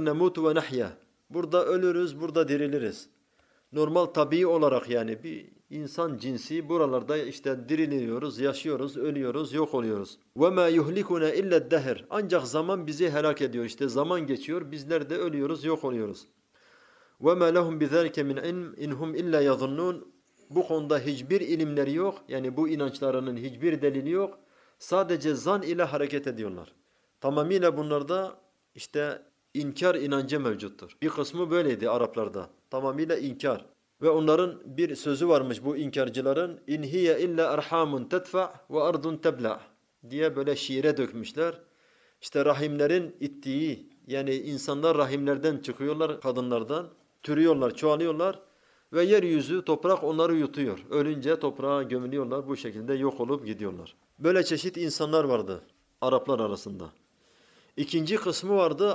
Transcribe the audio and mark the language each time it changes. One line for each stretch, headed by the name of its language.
Arabic: نَمُوتُ وَنَحْيَا
Turkish: Burada ölürüz, burada diriliriz. Normal tabii olarak yani bir insan cinsi buralarda işte diriliyoruz, yaşıyoruz, ölüyoruz, yok oluyoruz.
Arabic: وَمَا يُهْلِكُنَا اِلَّا الدَّهِرِ
Turkish: Ancak zaman bizi helak ediyor. İşte zaman geçiyor, bizler de ölüyoruz, yok oluyoruz.
Arabic: وَمَا لَهُمْ بِذَلْكَ مِنْ اِنْ هُمْ اِلَّا يَظُنُّونَ
Turkish: Bu konuda hiçbir ilimleri yok. Yani bu inançlarının hiçbir delili yok. Sadece zan ile hareket ediyorlar. Tamamıyla bunlarda işte inkar inancı mevcuttur. Bir kısmı böyleydi Araplarda. Tamamıyla inkar. Ve onların bir sözü varmış bu inkarcıların.
Arabic: اِنْ هِيَ اِلَّا اَرْحَامٌ تَدْفَعْ وَاَرْضٌ تَبْلَعْ
Turkish: diye böyle şiire dökmüşler. İşte rahimlerin ittiği yani insanlar rahimlerden çıkıyorlar kadınlardan. Türüyorlar, çoğalıyorlar. Ve yeryüzü, toprak onları yutuyor. Ölünce toprağa gömülüyorlar. Bu şekilde yok olup gidiyorlar. Böyle çeşit insanlar vardı Araplar arasında. İkinci kısmı vardı.